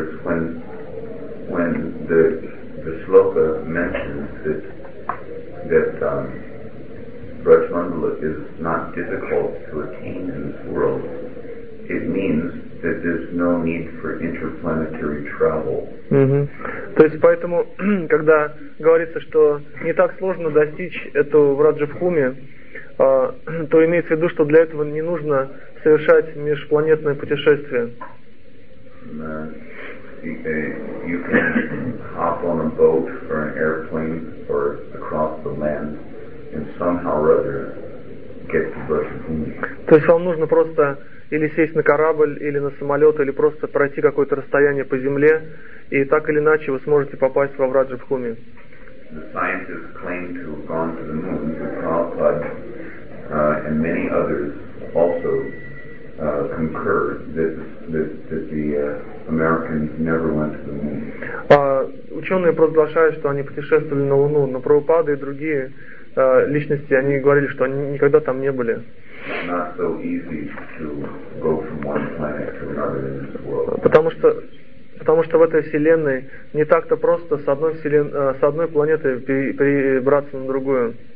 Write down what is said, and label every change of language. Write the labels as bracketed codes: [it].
[en] When the sloka mentions that Braj Mandala is not difficult to attain in this world, it means that there's no need for interplanetary travel. [ru] То есть поэтому, когда говорится, что не так сложно достичь этого в Раджа-Бхуми, то имеется в виду, что для этого не нужно совершать межпланетное путешествие. [en] You can hop on a boat or an airplane or across the land and somehow or other get to Braj Mandala. [ru] То есть вам нужно просто или сесть на корабль, или на самолет, или просто пройти какое-то расстояние по земле, и так или иначе вы сможете попасть во Враджа-Бхуми. [en] The scientists claim to have gone to the moon, to Prabhupada, and many others also concur that the Americans never went to the moon. [ru] Ученые провозглашают, что они путешествовали на Луну, но Прабхупада и другие личности, они говорили, что они никогда там не были. [en] Not so easy to go from one planet to another in this world. [ru] Потому что в этой вселенной не так-то просто с одной планеты перебраться на другую.